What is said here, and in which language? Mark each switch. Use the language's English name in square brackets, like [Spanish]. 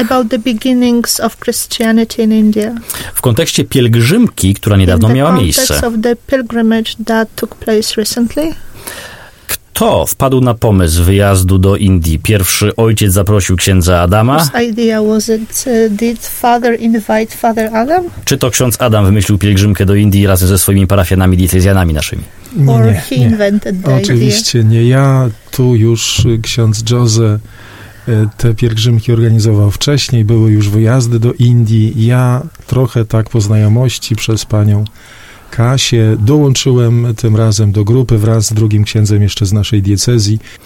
[English] About the beginnings of Christianity in India. [Polish] W kontekście pielgrzymki, która niedawno miała miejsce. [English] In the context of the pilgrimage that took place recently. [Polish] Kto wpadł na pomysł wyjazdu do Indii? Pierwszy ojciec zaprosił księdza Adama. [English] Whose idea was it? Did father invite father Adam? [Polish] Czy to ksiądz Adam wymyślił pielgrzymkę do Indii razem ze swoimi parafianami diecezjanami naszymi? Nie. Oczywiście nie. Ja, tu już ksiądz Jose te pielgrzymki organizował wcześniej. Były już wyjazdy do Indii. Ja trochę tak po znajomości przez panią Kasię dołączyłem tym razem do grupy wraz z drugim księdzem jeszcze z naszej diecezji.